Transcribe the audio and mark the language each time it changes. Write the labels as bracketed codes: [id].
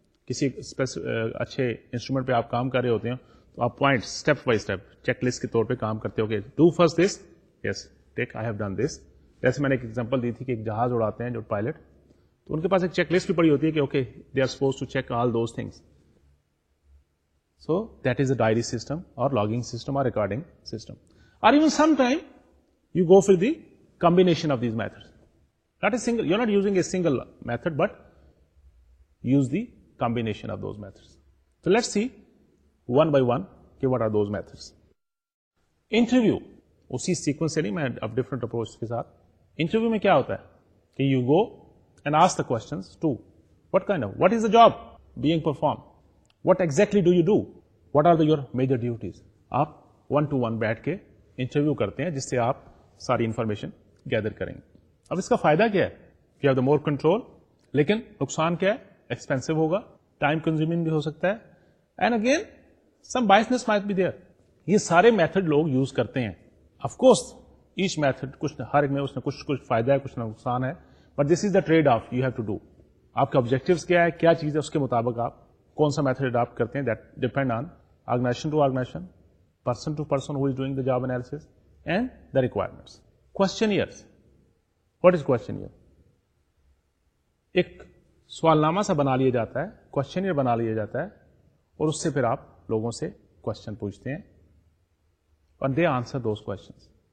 [ur] Kisi acche instrument pe aap kaam kar rahe hote hain, آپ point step by step check list کے طور پہ کام کرتے ہو گے. [en] Do first this, yes tick I have done this. [ur] جیسے میں نے ایک ایگزامپل دی تھی کہ ایک جہاز اڑاتے ہیں جو پائلٹ, تو ان کے پاس ایک چیک لسٹ بھی پڑی ہوتی ہے کہ [en] Okay they are suppose to check all those things. So that is a diary system اور logging system اور recording system. اور even some time you go for the combination of these method, not a single, you are not using a single method but use the combination of those method. تو let's see one by one کہ what are those methods. [ur] Interview اسی sequence سے نہیں, میں اب different approach کے ساتھ. Interview میں کیا ہوتا ہے کہ [en] You go and ask the questions to what kind of what is the job being perform, what exactly do you do, what are the your major duties. [ur] آپ ون ٹو ون بیٹھ کے interview کرتے ہیں جس سے آپ ساری information gather کریں گے. اب اس کا فائدہ کیا ہے؟ [en] You have the more control. [ur] لیکن نقصان کیا ہے؟ ایکسپینسو ہوگا, ٹائم کنزیومنگ بھی ہو سکتا ہے, and again [en] some biasness might be there. [ur] یہ سارے method لوگ use کرتے ہیں. [en] Of course, each method, [ur] کچھ ہر ایک میں اس میں کچھ کچھ فائدہ ہے, کچھ نقصان ہے, [en] But this is the trade off you have to do. [ur] آپ کے آبجیکٹیوس کیا ہے, کیا چیز ہے, اس کے مطابق آپ کون سا میتھڈ اڈاپٹ کرتے ہیں. [en] That depend on organization to organization, person to person who is doing the job analysis and the requirements. [ur] Questionnaires, [en] What is questionnaire? [ur] ایک سوال نامہ سا بنا لیا جاتا ہے, کوشچنئر بنا لیا جاتا ہے, اور اس سے پھر آپ لوگوں سے کوشچن پوچھتے ہیں [en] And they answer those questions.